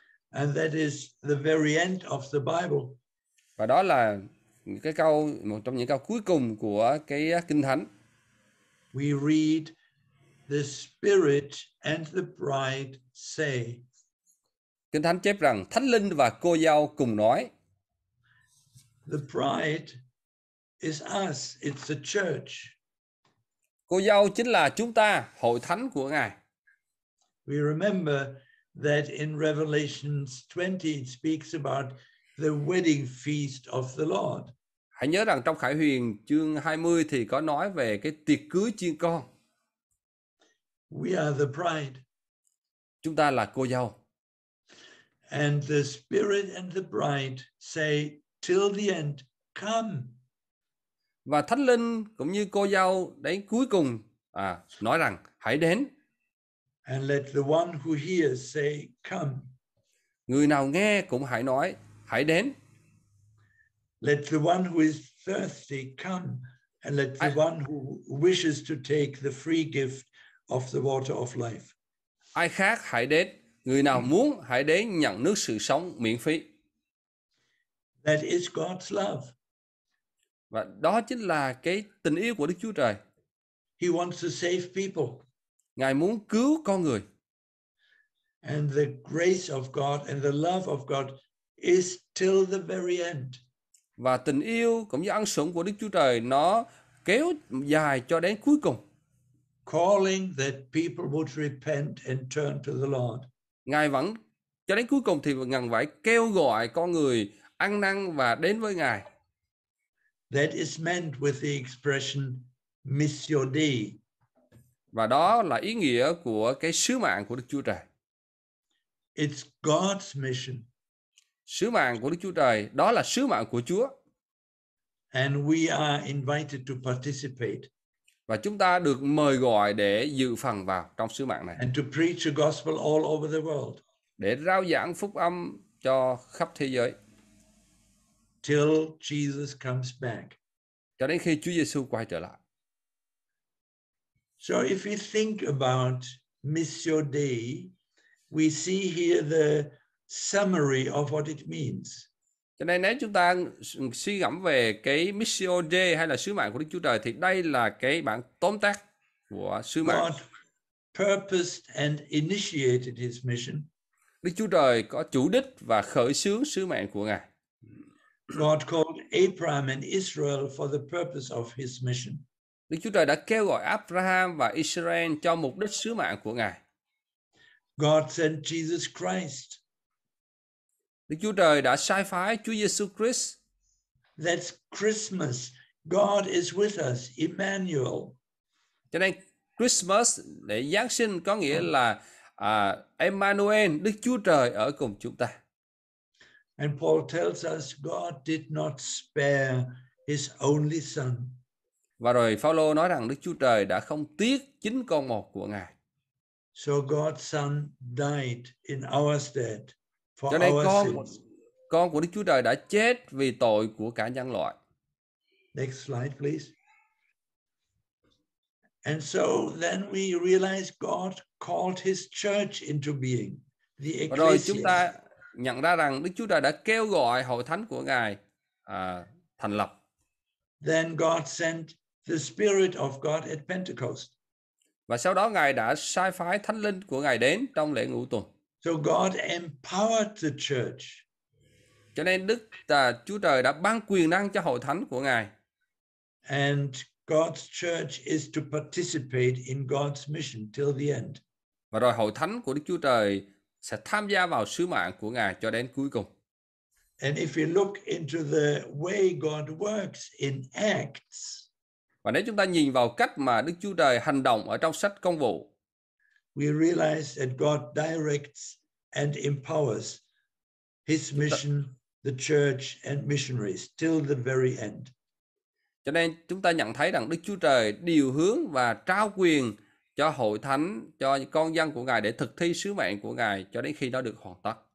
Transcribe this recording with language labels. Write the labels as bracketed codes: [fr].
[en] And that is the very end of the Bible. [vi] Và đó là cái câu, một trong những câu cuối cùng của cái Kinh Thánh. [en] We read, the Spirit and the Bride say. [vi] Kinh Thánh chép rằng Thánh Linh và Cô Dâu cùng nói. [en] The Bride is us, it's the Church. [vi] Cô Dâu chính là chúng ta, Hội Thánh của Ngài. [en] We remember that in Revelation 20 it speaks about the wedding feast of the Lord. [vi] Hãy nhớ rằng trong Khải Huyền chương 20 thì có nói về cái tiệc cưới chiên con. [en] We are the bride. [vi] Chúng ta là cô dâu. [en] And the Spirit and the bride say till the end, come. [vi] Và Thánh Linh cũng như cô dâu đến cuối cùng nói rằng hãy đến. [en] And let the one who hears say come. [vi] Người nào nghe cũng hãy nói hãy đến. [en] Let the one who is thirsty come, and let the one who wishes to take the free gift of the water of life. [vi] Ai khác hãy đến, người nào muốn hãy đến nhận nước sự sống miễn phí. [en] That is God's love. [vi] Và đó chính là cái tình yêu của Đức Chúa Trời. [en] He wants to save people. [vi] Ngài muốn cứu con người. [en] And the grace of God and the love of God is till the very end. [vi] Và tình yêu cũng như ân sủng của Đức Chúa Trời nó kéo dài cho đến cuối cùng. [en] Calling that people would repent and turn to the Lord. [vi] Ngài vẫn cho đến cuối cùng thì ngần phải kêu gọi con người ăn năn và đến với Ngài. [en] That is meant with the expression missio Dei. [vi] Và đó là ý nghĩa của cái sứ mạng của Đức Chúa Trời. [en] It's God's mission. [vi] Sứ mạng của Đức Chúa Trời, đó là sứ mạng của Chúa. [en] And we are invited to participate. [vi] Và chúng ta được mời gọi để dự phần vào trong sứ mạng này. [en] And to preach the gospel all over the world. [vi] Để rao giảng phúc âm cho khắp thế giới. [en] Till Jesus comes back. [vi] Cho đến khi Chúa Giêsu quay trở lại. [en] So if we think about Missio Dei, we see here the summary of what it means. [vi] Cho nên nếu chúng ta suy ngẫm về cái Missio Dei hay là sứ mạng của Đức Chúa Trời thì đây là cái bản tóm tắt của sứ mạng. [en] God purposed and initiated his mission. [vi] Đức Chúa Trời có chủ đích và khởi xướng sứ mạng của Ngài. [en] God called Abraham and Israel for the purpose of his mission. [vi] Đức Chúa Trời đã kêu gọi Abraham và Israel cho mục đích sứ mạng của Ngài. [en] God sent Jesus Christ. [vi] Đức Chúa Trời đã sai phái Chúa Giêsu Christ. [en] That's Christmas. God is with us, Emmanuel. [vi] Cho nên Christmas để Giáng sinh có nghĩa là Emmanuel, Đức Chúa Trời ở cùng chúng ta. [en] And Paul tells us God did not spare his only son. [vi] Và rồi Phaolô nói rằng Đức Chúa Trời đã không tiếc chính con một của Ngài. [en] So God's son died in our stead. [vi] Cho nên con của Đức Chúa Trời đã chết vì tội của cả nhân loại. [en] Next slide, please. And so then we realize God called his church into being, the ecclesia. [vi] Rồi chúng ta nhận ra rằng Đức Chúa Trời đã kêu gọi hội thánh của Ngài thành lập. [en] Then God sent the Spirit of God at Pentecost. [vi] Và sau đó Ngài đã sai phái Thánh Linh của Ngài đến trong lễ ngũ tuần. [en] So God empowered the church. [vi] Cho nên Đức Chúa Trời đã ban quyền năng cho hội thánh của Ngài. [en] And God's church is to participate in God's mission till the end. [vi] Và rồi hội thánh của Đức Chúa Trời sẽ tham gia vào sứ mạng của Ngài cho đến cuối cùng. [en] And if we look into the way God works in Acts. [vi] Và nếu chúng ta nhìn vào cách mà Đức Chúa Trời hành động ở trong sách Công vụ, [en] we realize that God directs and empowers his mission, the church and missionaries till the very end. [vi] Cho nên chúng ta nhận thấy rằng Đức Chúa Trời điều hướng và trao quyền cho hội thánh, cho con dân của Ngài để thực thi sứ mạng của Ngài cho đến khi nó được hoàn tất.